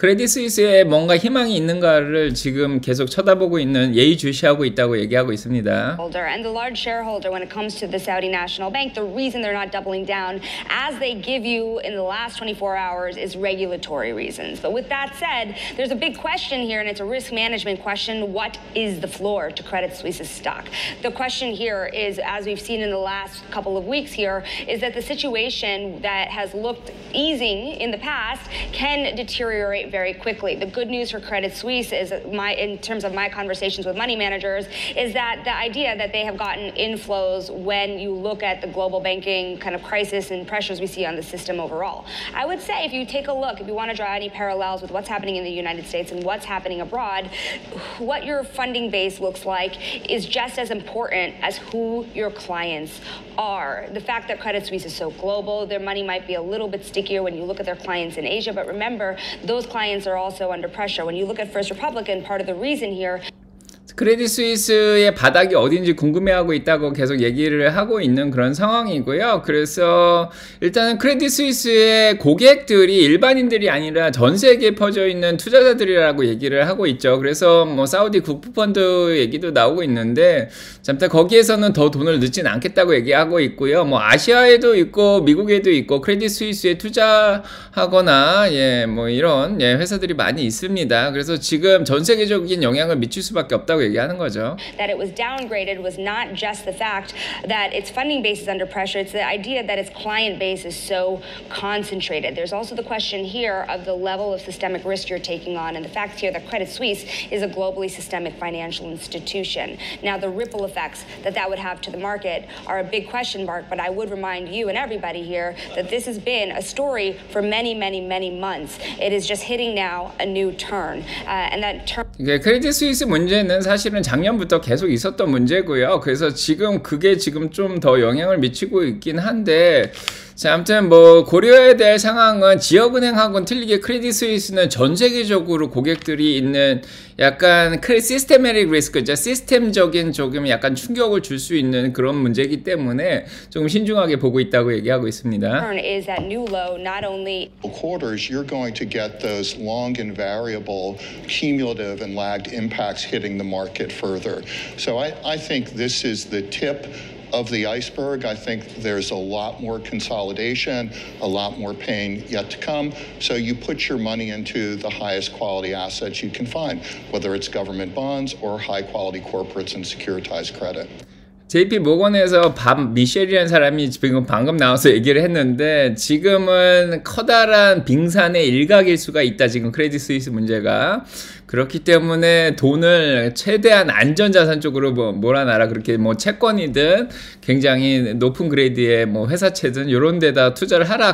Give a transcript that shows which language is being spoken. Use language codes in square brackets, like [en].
[ko] 크레딧 스위스에 뭔가 희망이 있는가를 지금 계속 쳐다보고 있는 예의주시하고 있다고 얘기하고 있습니다. [en] And the large shareholder when it comes to the Saudi National Bank. The reason they're not doubling down as they give you in the last 24 hours is regulatory reasons. But with that said, there's a big question here, and it's a risk management question. What is the floor to Credit Suisse's stock? The question here is, as we've seen in the last couple of weeks here, is that the situation that has looked easing in the past can deteriorate very quickly. The good news for Credit Suisse is, in terms of my conversations with money managers, is that the idea that they have gotten inflows when you look at the global banking kind of crisis and pressures we see on the system overall. I would say if you take a look, if you want to draw any parallels with what's happening in the United States and what's happening abroad, what your funding base looks like is just as important as who your clients are. The fact that Credit Suisse is so global, their money might be a little bit stickier when you look at their clients in Asia, but remember, those clients are also under pressure. When you look at First Republic, part of the reason here [ko] 크레딧 스위스의 바닥이 어딘지 궁금해하고 있다고 계속 얘기를 하고 있는 그런 상황이고요. 그래서 일단은 크레딧 스위스의 고객들이 일반인들이 아니라 전 세계에 퍼져 있는 투자자들이라고 얘기를 하고 있죠. 그래서 뭐 사우디 국부펀드 얘기도 나오고 있는데 잠깐 거기에서는 더 돈을 넣진 않겠다고 얘기하고 있고요. 뭐 아시아에도 있고 미국에도 있고 크레딧 스위스에 투자하거나 예 뭐 이런 예 회사들이 많이 있습니다. 그래서 지금 전 세계적인 영향을 미칠 수밖에 없다. [en] That it was downgraded was not just the fact that its funding base is under pressure, it's the idea that its client base is so concentrated. There's also the question here of the level of systemic risk you're taking on, and the fact here that Credit Suisse is a globally systemic financial institution. Now, the ripple effects that that would have to the market are a big question mark, but I would remind you and everybody here that this has been a story for many, many, many months. It is just hitting now a new turn, and that turn. [ko] 이게 크레딧 스위스 문제는 사실은 작년부터 계속 있었던 문제고요. 그래서 지금 그게 지금 좀 더 영향을 미치고 있긴 한데 자, 아무튼 뭐 고려해야 될 상황은 지역은행하고는 틀리게 크레딧 스위스는 전 세계적으로 고객들이 있는 약간 시스테메릭 리스크죠. 시스템적인 조금 약간 충격을 줄 수 있는 그런 문제이기 때문에 조금 신중하게 보고 있다고 얘기하고 있습니다. [en] Is that new low not only quarters you're going to get those long and variable cumulative and lagged impacts hitting the market further. So I think this is the tip of the iceberg. I think there's a lot more consolidation, a lot more pain yet to come. So you put your money into the highest quality assets you can find, whether it's government bonds or high quality corporates and securitized credit. [ko] JP 모건에서 미셸이라는 사람이 지금 방금 나와서 얘기를 했는데, 지금은 커다란 빙산의 일각일 수가 있다. 지금 크레딧 스위스 문제가. 그렇기 때문에 돈을 최대한 안전자산 쪽으로 몰아놔라. 그렇게 뭐 채권이든 굉장히 높은 그레이드의 뭐 회사채든 이런 데다 투자를 하라.